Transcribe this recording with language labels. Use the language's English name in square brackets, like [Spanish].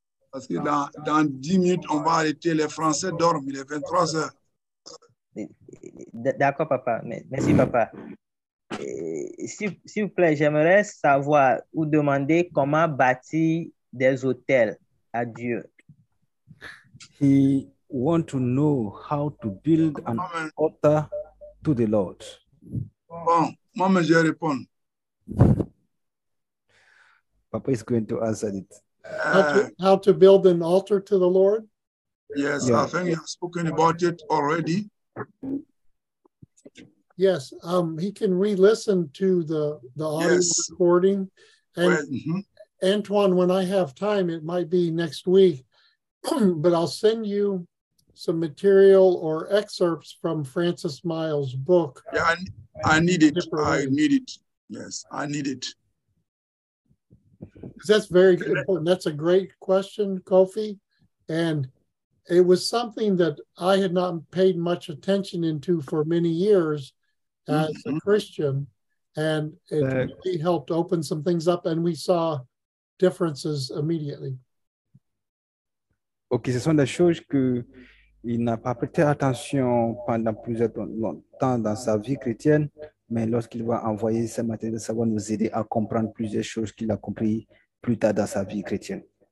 [French] Parce que dans 10 minutes, on va arrêter. Les Français dorment, il est 23 heures. D'accord, papa. Merci, papa. S'il vous plaît, j'aimerais savoir ou demander comment bâtir des hôtels à Dieu. [English] He wants to know how to build an altar to the Lord. [French] Bon, moi, je vais répondre. [English] Papa is going to answer it. How to build an altar to the Lord? Yes, yeah. I think you have spoken about it already. Yes, he can re-listen to the audio recording. And Antoine, when I have time, it might be next week, but I'll send you some material or excerpts from Francis Miles' book. Yeah, I need it. I need it. Yes, I need it. That's very important. That's a great question, Kofi. And it was something that I had not paid much attention into for many years as a Christian. And it really helped open some things up, and we saw differences immediately. [French] Okay, ce sont des choses qu'il n'a pas prêté attention pendant plusieurs temps dans sa vie chrétienne. Mais lorsqu'il va envoyer ce matériel, ça va nous aider à comprendre plusieurs choses qu'il a compris plus tard dans sa vie chrétienne.